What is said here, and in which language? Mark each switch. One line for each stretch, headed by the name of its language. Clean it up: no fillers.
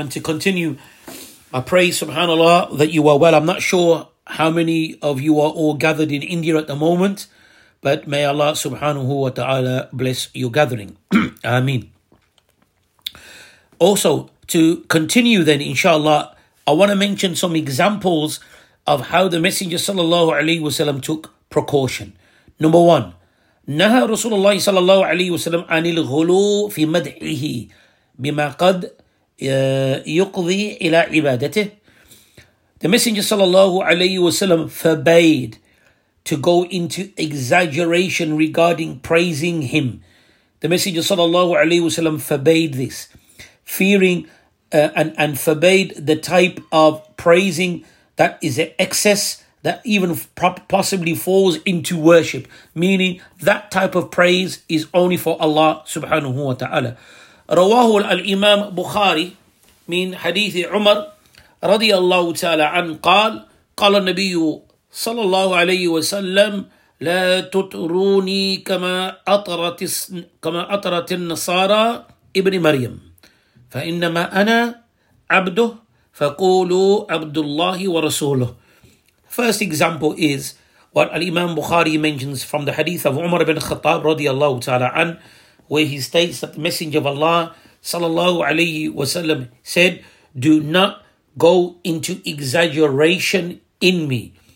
English: And to continue, I pray, subhanAllah, that you are well. I'm not sure how many of you are all gathered in India at the moment, but may Allah subhanahu wa ta'ala bless your gathering. Ameen. Also, to continue then, inshallah, I want to mention some examples of how the Messenger sallallahu alayhi wasallam took precaution.
Arabic: Number one, نهى رسول الله صلى الله عليه وسلم عن الغلو في مدحه بما قد يقضي إلى عبادته.
English: The Messenger
Arabic: صلى الله عليه وسلم
English: forbade to go into exaggeration regarding praising him. The Messenger
Arabic: صلى الله عليه وسلم
English: forbade this, fearing and forbade the type of praising that is an excess that even possibly falls into worship, meaning that type of praise is only for Allah subhanahu wa ta'ala.
Arabic: رواه الإمام بخاري من حديث عمر رضي الله تعالى عنه قال قال النبي صلى الله عليه وسلم لا تطروني كما أطرت النصارى ابن مريم فإنما أنا عبده فقولوا عبد الله ورسوله.
English: First example is what Al-Imam Bukhari mentions from the hadith of Umar ibn Khattab radiallahu ta'ala an, where he states that the Messenger of Allah sallallahu alayhi wa sallam said, do not go into exaggeration in me.